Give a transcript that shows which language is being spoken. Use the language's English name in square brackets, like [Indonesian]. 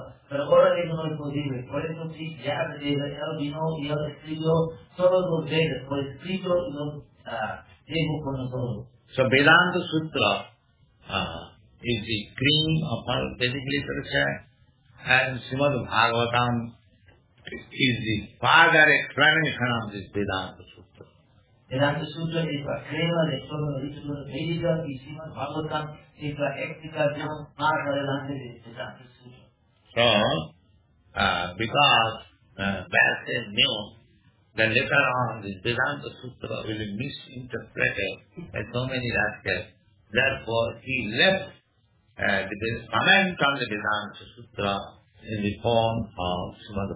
[Spanish] Pero ahora digo no es posible, por eso sí, ya él vino y él escribió solo dos veces, por escrito lo tengo con nosotros. [English] So Vedanta Sutra is the cream of all Vedic literature, and Srimad Bhagavatam is the father explanation of this Vedanta Sutra. [Spanish] Vedanta Sutra es la crema de toda la literatura védica y Srimad Bhagavatam es la explicación más adelante de Vedanta Sutra. [English] So, because Vyasa knew that later on this Vedanta Sutra will be misinterpreted by so many rascals, therefore he left the comment on the Vedanta Sutra in the form of Srimad